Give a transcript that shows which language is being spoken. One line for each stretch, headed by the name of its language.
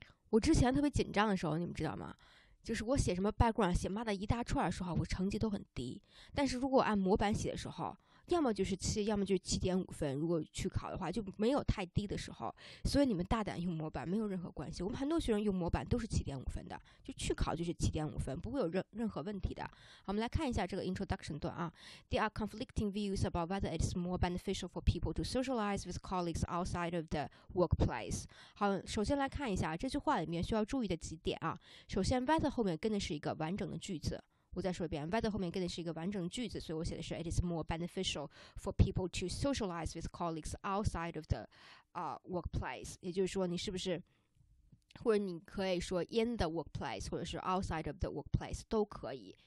Chinese: 我之前特别紧张的时候你们知道吗，就是我写什么 background 写妈的一大串的时候我成绩都很低，但是如果按模板写的时候要么就是七，要么就是7.5分。如果去考的话，就没有太低的时候。所以你们大胆用模板，没有任何关系。我们很多学生用模板都是7.5分的，就去考就是7.5分，不会有任何问题的。好，我们来看一下这个 introduction 段啊。
English: There are conflicting views about whether it's more beneficial for people to socialize with colleagues outside of the workplace。
Chinese: 好，首先来看一下这句话里面需要注意的几点啊。首先 ，whether 后面跟的是一个完整的句子。我再说一遍 ，whether 后面跟的是一个完整句子，所以我写的是
English: it is more beneficial for people to socialize with colleagues outside of the workplace。
Chinese: 也就是说，你是不是，或者你可以说
English: in the workplace，
Chinese: 或者是
English: outside of the workplace
Chinese: 都可以。